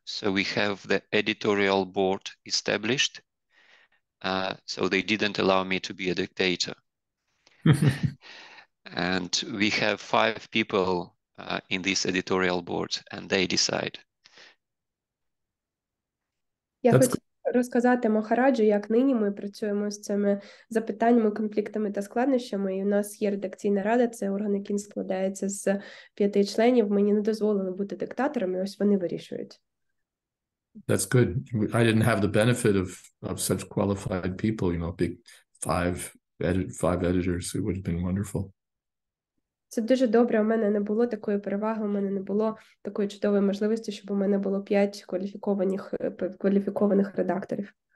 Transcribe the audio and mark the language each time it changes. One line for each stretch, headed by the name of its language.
English: So we have the editorial board established. So they didn't allow me to be a dictator. And we have 5 people in this editorial board, and they decide.
Ukrainian: Я хочу розказати Махараджу, як нині ми працюємо з цими запитаннями, конфліктами та складнощами. І у нас є редакційна рада, це орган, який складається з 5 членів. Мені не дозволили бути диктатором, і ось вони вирішують.
English: That's good. I didn't have the benefit of such qualified people, you know, big 5 editors. It would have been wonderful.
Ukrainian: Це дуже добре. У мене не було такої переваги, у мене не було такої чудової можливості, щоб у мене було 5 кваліфікованих редакторів.